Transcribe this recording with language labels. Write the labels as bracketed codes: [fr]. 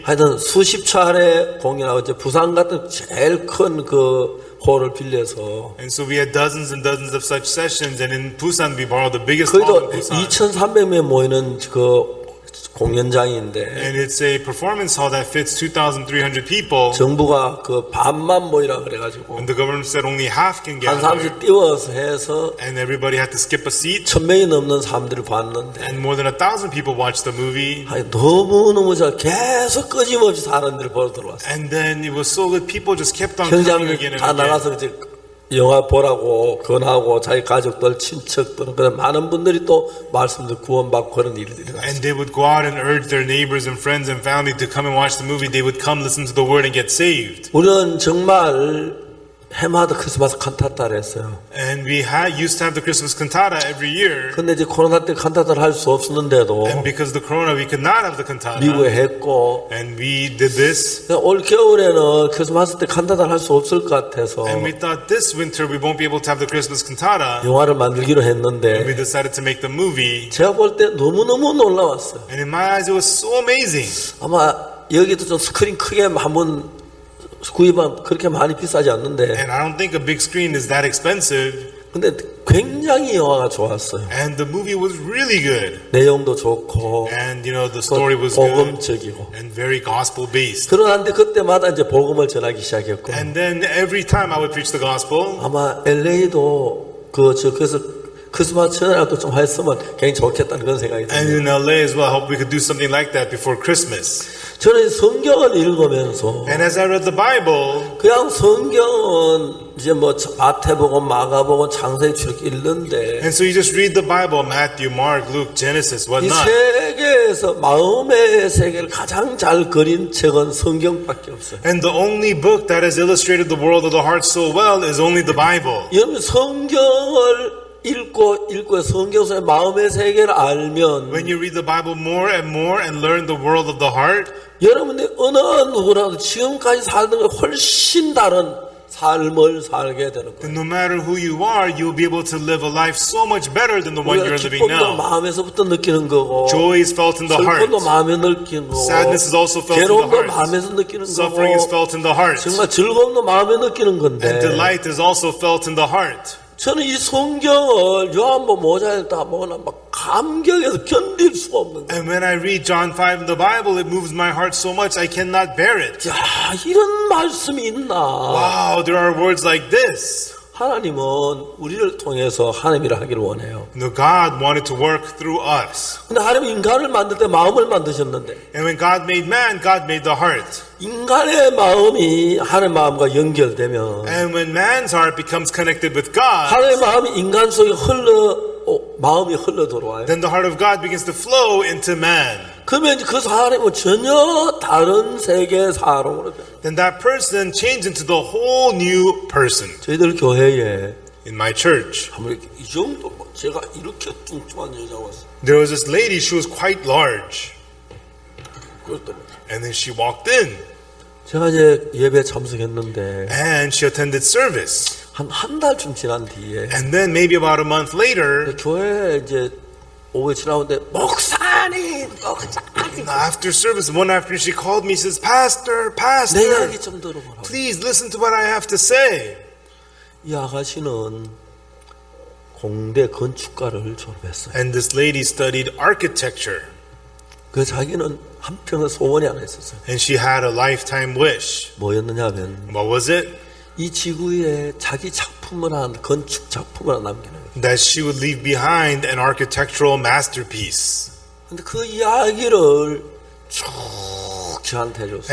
[ko] 하여튼 수십 차례 공연하고 이제 부산 같은 제일 큰 그 홀을 빌려서. [en] And so we had dozens and dozens of such sessions, and in Busan we borrowed the biggest hall in Busan. [ko] 그래도 2,300명 모이는 그 공연장인데. [en] And it's a performance hall that fits 2,300 people. [ko] 정부가 그 반만 모이라 그래가지고. [en] And the government said only half can gather. [ko] 한 사람씩 띄워서 해서. [en] And everybody had to skip a seat. [ko] 1,000명이 넘는 사람들을 봤는데. [en] And more than 1,000 people watched the movie. [ko] 아니, 너무너무 잘 계속 끊임없이 사람들을 보러 들어왔어. [en] And then it was so good. People just kept on coming again and again. [ko] 다 나가서 이제 영화 보라고 권하고 자기 가족들 친척들 그런 많은 분들이 또 말씀들 구원받고 그런 일들이 [en] And they would go out and urge their neighbors and friends and family to come and watch the movie. They would come listen to the word and get saved. [ko] 우리는 정말 해마다 크리스마스 칸타타를 했어요. [en] And we had used to have the Christmas cantata every year. [ko] 근데 이제 코로나 때 칸타타를 할 수 없었는데도. [en] And because of the corona, we could not have the cantata. [ko] 미국에 했고. [en] And we did this. [ko] 올 겨울에는 크리스마스 때 칸타타를 할 수 없을 것 같아서. [en] And we thought this winter we won't be able to have the Christmas cantata. [ko] 영화를 만들기로 했는데. [en] And we decided to make the movie. [ko] 제가 볼 때 너무너무 놀라웠어요. [en] And in my eyes, it was so amazing. [ko] 아마 여기도 좀 스크린 크게 한번 구입은 그렇게 많이 비싸지 않는데. [en] And I don't think a big screen is that expensive. [ko] 근데 굉장히 영화가 좋았어요. [en] And the movie was really good. [ko] 내용도 좋고. [en] And you know the story was [ko] 복음적이고. [en] Good. And very gospel based. [ko] 그러는데 그때마다 이제 복음을 전하기 시작했고. [en] And then every time I would preach the gospel. [ko] 아마 LA도 그 저기서 크리스마스 전화라도 좀 했으면 굉장히 좋겠다는 그런 생각이 들어요. [en] And in LA as well, I hope we could do something like that before Christmas. [ko] 저는 성경을 읽으면서 [en] And as I read the Bible, [ko] 그냥 성경은 이제 뭐 마태복음, 마가복음, 창세기 출애굽기 읽는데 [en] And so you just read the Bible, Matthew, Mark, Luke, Genesis, whatnot. [ko] 이 세계에서 마음의 세계를 가장 잘 그린 책은 성경밖에 없어요. [en] And the only book that has illustrated the world of the heart so well is only the Bible. [ko] 여러분 성경을 읽고 성경서의 마음의 세계를 알면 [en] When you read the Bible more and more and learn the world of the heart [ko] 여러분이 어느 누구라도 지금까지 사는 것 훨씬 다른 삶을 살게 되는 거예요. [en] No matter who you are, you'll be able to live a life so much better than the one you're living now. [ko] 기쁨도 마음에서부터 느끼는 거고 [en] Joy is felt in the heart. [ko] 슬픔도 마음에 느끼는 거고 [en] Sadness is also felt in the heart. [ko] 괴로움도 마음에서 느끼는 거고 [en] Suffering is felt in the heart. [ko] 정말 즐거움도 마음에 느끼는 건데 [en] And delight is also felt in the heart. [ko] 저는 이 성경을 요한복음 5장에 다 보거나 막 감격해서 견딜 수가 없는 거예요. [en] And when I read John 5 in the Bible, it moves my heart so much I cannot bear it. [ko] 야, 이런 말씀이 있나? [en] Wow, there are words like this. [ko] 하나님은 우리를 통해서 하나님 일을 하기를 원해요. [en] No, God wanted to work through us. [ko] 근데 하나님 인간을 만들 때 마음을 만드셨는데. [en] And when God made man, God made the heart. [ko] 인간의 마음이 하나님 마음과 연결되면. [en] And when man's heart becomes connected with God. [ko] 하나님 마음이 인간 속에 흘러 마음이 흘러 들어와요. [en] Then the heart of God begins to flow into man. [ko] 그러면 그 사람은 전혀 다른 세계 사람으로 돼. [en] Then that person changed into the whole new person. [ko] 저희들 교회에 [en] in my church. [ko] 아무리 이 정도 제가 이렇게 뚱뚱한 여자 왔어. [en] There was this lady. She was quite large. [ko] 그렇다. [en] And then she walked in. [ko] 제가 이제 예배 참석했는데. [en] And she attended service. [ko] 한 달쯤 지난 뒤에. [en] And then maybe about a month later. [ko] 교회 이제 오후에 지나오는데 목사님, 목사님. [en] After service, one afternoon she called me. Says, Pastor, Pastor. [ko] 내 이야기 좀 들어보라고. [en] Please listen to what I have to say. [ko] 이 아가씨는 공대 건축가를 졸업했어요. [en] And this lady studied architecture. [ko] 그 자기는 한평생 소원이 하나 있었어요. [en] And she had a lifetime wish. [ko] 뭐였느냐면. [en] What was it? [ko] 이 지구에 자기 작품을 한 건축 작품을 남기는 거예요. [en] That she would leave behind an architectural masterpiece. [ko] 근데 그 이야기를 쭉 저한테 해줬어요.